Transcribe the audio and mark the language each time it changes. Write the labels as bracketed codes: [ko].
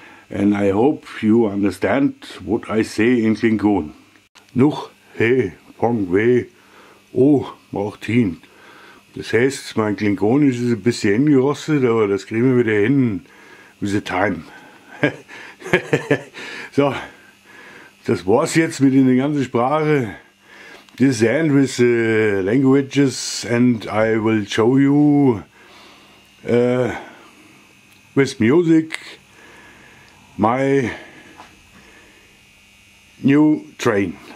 [en] And I hope you understand what I say in Klingon. [tlh] Nuch he pong we o Martin. [de] Das heißt, mein Klingonisch ist ein bisschen eingerostet, aber das kriegen wir wieder hin. [en] With the time. [de] So, das war's jetzt mit in der ganzen Sprache. [en] This is the end with the languages and I will show you with music my new train.